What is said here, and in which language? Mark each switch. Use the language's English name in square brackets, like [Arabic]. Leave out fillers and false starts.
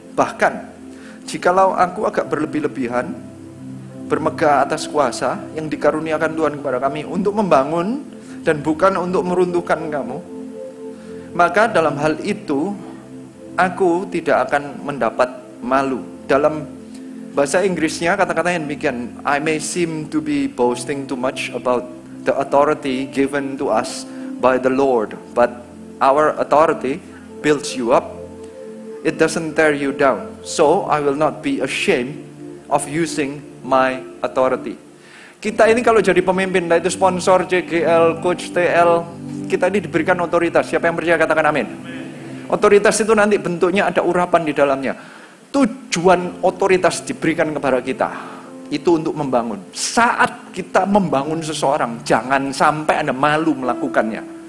[Indonesian] Bahkan jikalau aku agak berlebih-lebihan, bermegah atas kuasa yang dikaruniakan Tuhan kepada kami untuk membangun dan bukan untuk meruntuhkan kamu, maka dalam hal itu aku tidak akan mendapat malu. Dalam bahasa Inggrisnya kata-katanya demikian, [English] I may seem to be boasting too much about the authority given to us by the Lord, but our authority builds you up. It doesn't tear you down. So I will not be ashamed of using my authority. [Indonesian] Kita ini kalau jadi pemimpin, nah itu sponsor JGL, coach TL, kita ini diberikan otoritas. Siapa yang percaya katakan amin. Otoritas itu nanti bentuknya ada urapan di dalamnya. Tujuan otoritas diberikan kepada kita itu untuk membangun. Saat kita membangun seseorang, jangan sampai Anda malu melakukannya.